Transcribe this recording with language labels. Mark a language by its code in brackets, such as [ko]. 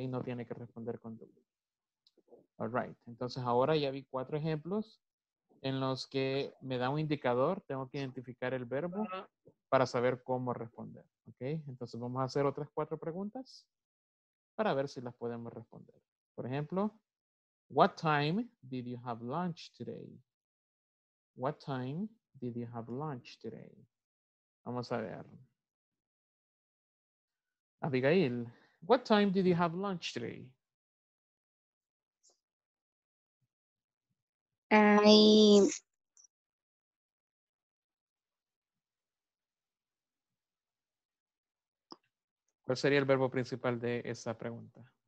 [es] No tiene que responder con do. [en] All right. [es] Entonces ahora ya vi cuatro ejemplos en los que me da un indicador. Tengo que identificar el verbo para saber cómo responder, ¿ok? Entonces vamos a hacer otras cuatro preguntas para ver si las podemos responder. Por ejemplo, [en] what time did you have lunch today? What time did you have lunch today? [es] Vamos a ver. [en] Abigail, what time did you have lunch today? [es] ¿Cuál sería el verbo principal de esa pregunta?